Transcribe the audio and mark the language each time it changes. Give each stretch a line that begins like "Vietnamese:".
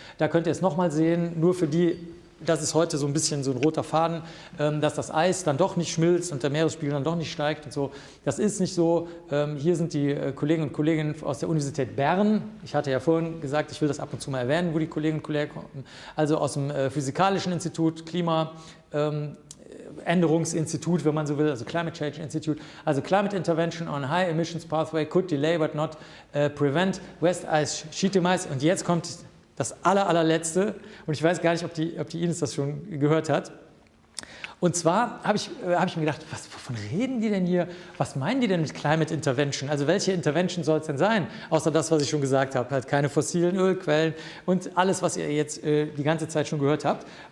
German: Da könnt ihr es nochmal sehen, nur für die. Das ist heute so ein bisschen so ein roter Faden, dass das Eis dann doch nicht schmilzt und der Meeresspiegel dann doch nicht steigt und so. Das ist nicht so. Hier sind die Kollegen und Kolleginnen aus der Universität Bern. Ich hatte ja vorhin gesagt, ich will das ab und zu mal erwähnen, wo die Kollegen und Kollegen kommen. Also aus dem Physikalischen Institut, Klimaänderungsinstitut, wenn man so will, also Climate Change Institute.
English: Also Climate Intervention on High Emissions Pathway could delay but not prevent West Ice Sheet Demise.
German: Und jetzt kommt das allerletzte, und ich weiß gar nicht, ob die Ines das schon gehört hat. Und zwar habe ich mir gedacht, wovon reden die denn hier? Was meinen die denn mit Climate Intervention? Also welche Intervention soll es denn sein? Außer das, was ich schon gesagt habe, halt keine fossilen Ölquellen und alles, was ihr jetzt die ganze Zeit schon gehört habt.